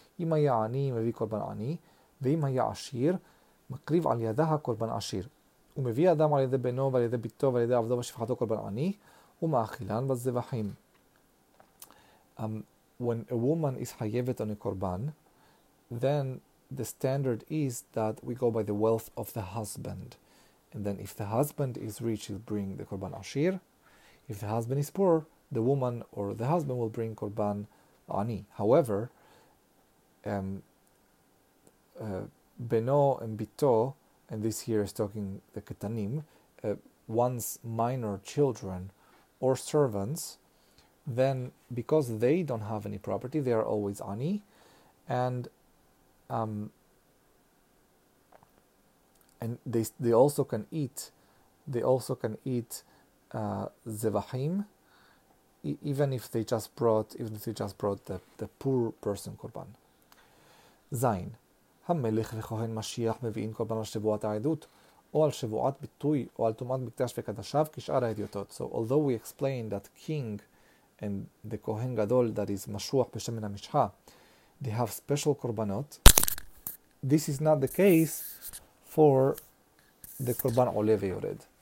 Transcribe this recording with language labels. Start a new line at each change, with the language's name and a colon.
Hebrew: אם היה עני, מביא קורבן עני, ואם היה עשיר, מקריב על ידה קורבן עשיר. הוא מביא אדם על ידי בנו ועל ידי ביתו ועל ידי עבדו ושפחתו קורבן עני, ומאכילן בזבחים.
English: When a woman is חייבת on a קורבן, then the standard is that we go by the wealth of the husband. And then if the husband is rich, he'll bring the קורבן עשיר. If the husband is poor, the woman or the husband will bring קורבן עני. However, Beno and Bito, and this here is talking the Ketanim, one's minor children or servants, then because they don't have any property, they are always Ani, and they also can eat Zevahim, even if they just brought the poor person Korban.
Hebrew: זין, המלך וכהן משיח מביאים קורבן על שבועת העדות, או על שבועת ביטוי, או על טומאת מקדש וקדשיו, כשאר העדיותות.
English: So although we explain that king and the כהן גדול that is משוח בשמן המשחה, they have special קורבנות, this is not the case for the קורבן עולה ויורד.